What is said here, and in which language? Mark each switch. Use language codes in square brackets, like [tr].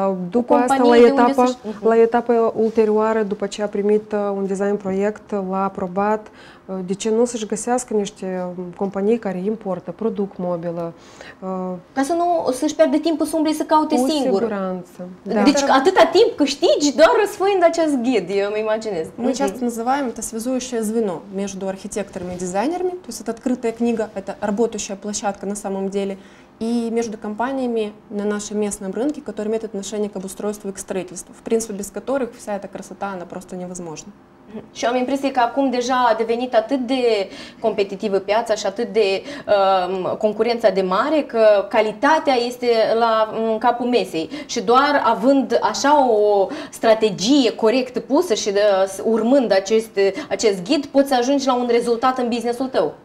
[ro] După asta, la etapa ulterioară, după ce a primit un design proiect, l-a aprobat, de ce nu să-și găsească niște companii care importă, produc mobilă. Ca să nu să-și pierde timpul să umbli să caute cu singur. Cu siguranță. Da. Deci atâta timp câștigi doar răsfăind acest ghid, eu îmi imaginez. Noi [ru] часто называем это связующее звено между архитекторами и дизайнерами, то есть это открытая книга, это работающая площадка на самом деле, и между компаниями на нашем местном рынке, которые имеют отношение к обустройству и к строительству, в принципе, без которых вся эта красота, она просто невозможна. [ro] Și am impresia că acum deja a devenit atât de competitivă piața și atât de concurența de mare că calitatea este la capul mesei și doar având așa o strategie corect pusă și urmând acest ghid poți ajunge la un rezultat în businessul tău.